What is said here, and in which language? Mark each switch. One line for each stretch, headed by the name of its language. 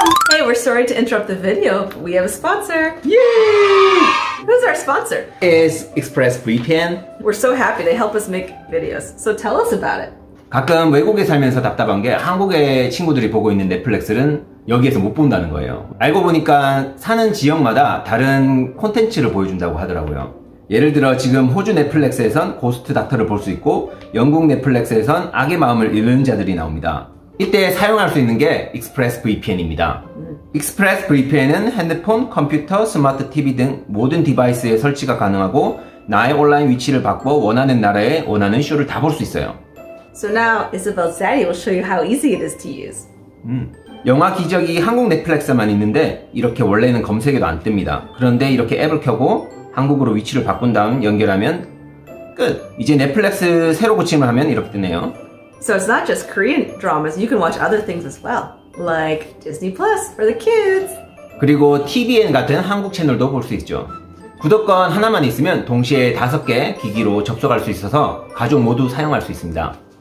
English: Hey, we're sorry to interrupt the video, but we have a sponsor. Yay! Who's our sponsor? It's ExpressVPN. We're so happy they help us make videos. So tell us about it.
Korean: 가끔 외국에 살면서 답답한 게 한국의 친구들이 보고 있는 넷플릭스는 여기에서 못 본다는 거예요. 알고 보니까 사는 지역마다 다른 콘텐츠를 보여준다고 하더라고요. 예를 들어 지금 호주 넷플릭스에선 고스트 닥터를 볼 수 있고 영국 넷플릭스에선 악의 마음을 잃는 자들이 나옵니다. 이때 사용할 수 있는 게 ExpressVPN입니다. ExpressVPN은 핸드폰, 컴퓨터, 스마트 TV 등 모든 디바이스에 설치가 가능하고 나의 온라인 위치를 바꿔 원하는 나라에 원하는 쇼를 다 볼 수 있어요.
English: So now Isabelle Daddy will show you how easy it is to use.
Korean: 영화 기적이 한국 넷플릭스만 있는데 이렇게 원래는 검색에도 안 뜹니다. 그런데 이렇게 앱을 켜고 한국으로 위치를 바꾼 다음 연결하면 끝! 이제 넷플릭스 새로 고침을 하면 이렇게 뜨네요.
English: So it's not just Korean dramas, you can watch other things as well. Like Disney Plus for the kids.
Korean: 그리고 TVN 같은 한국 채널도 볼 수 있죠. 구독권 하나만 있으면 동시에 다섯 개 기기로 접속할 수 있어서 가족 모두 사용할 수 있습니다.